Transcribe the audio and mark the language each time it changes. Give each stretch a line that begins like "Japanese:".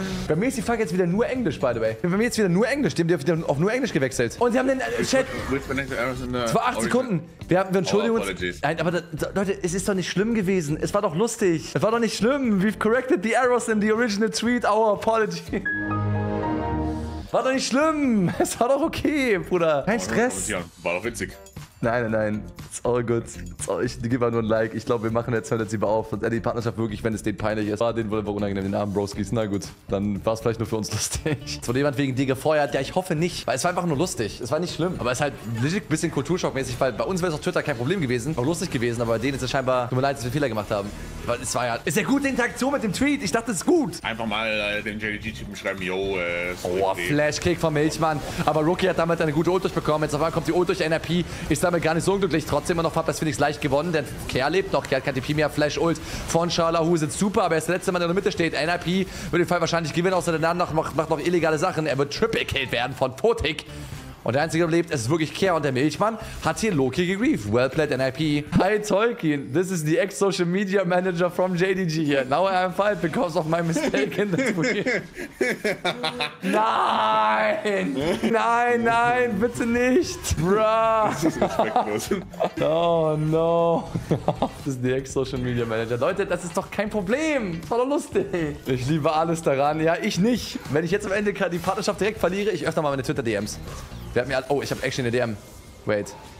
German: Bei mir ist die Flagge jetzt wieder nur Englisch,
English: by the way.
German: Bei mir jetzt wieder nur Englisch. Die haben wieder auf nur Englisch gewechselt. Und sie haben den Chat. Es war 8 Sekunden. Wir entschuldigen uns. Nein, aber Leute, es ist doch nicht schlimm gewesen. Es war doch lustig. Es war doch nicht schlimm.
English: We've corrected the errors in the original tweet. Our apology.
German: War doch nicht schlimm. Es war doch okay, Bruder. Kein Stress. War doch witzig. Nein.
English: It's all good.
German: Ich gebe mal nur ein Like. Ich glaube, wir machen jetzt heute lieber auf. Die Partnerschaft wirklich, wenn es denen peinlich ist. War denen wohl unangenehm, den armen Broskis. Na gut, dann war es vielleicht nur für uns lustig. Es wurde jemand wegen dir gefeuert. Ja, ich hoffe nicht. Weil es war einfach nur lustig. Es war nicht schlimm. Aber es ist halt legit ein bisschen kulturschockmäßig, weil bei uns wäre es auf Twitter kein Problem gewesen. Auch lustig gewesen. Aber bei denen ist es scheinbar, tut mir leid, dass wir Fehler gemacht haben. Weil es war ja. Ist ja gute Interaktion mit dem Tweet. Ich dachte, es ist gut. Einfach mal den JDG-Typen schreiben. Yo, Flashkick vom Milchmann. Aber Rookie hat damit eine gute Ult durchbekommen. Jetzt auf einmal kommt die Ult durch NRP. Ist damit gar nicht so unglücklich. Trotzdem immer noch Fabius Phoenix leicht gewonnen, denn Kerr lebt noch. Kerr hat keine TP mehr. Flash Ult von Charlahu sind super, aber er ist der letzte Mann, der in der Mitte steht. NIP wird den Fall wahrscheinlich gewinnen, außer der danach macht noch illegale Sachen. Er wird triple killed werden von Fotik. Und der Einzige, der lebt, ist wirklich Kerr. Und der Milchmann hat hier Loki gegrieft.
English: Well played, NIP. Hi, Tolkien. This is the ex-Social Media Manager from JDG here. Now I am fired because of my mistake in the tweet.
German: Nein! Nein, bitte nicht! Bruh! Das ist respektlos.
English: Oh, no. This is the ex-Social Media Manager.
German: Leute, das ist doch kein Problem. Voller lustig. Ich liebe alles daran. Ja, ich nicht. Wenn ich jetzt am Ende die Partnerschaft direkt verliere, ich öffne mal meine Twitter-DMs. Der hat mir alle. Oh, ich hab echt eine DM.
English: Wait.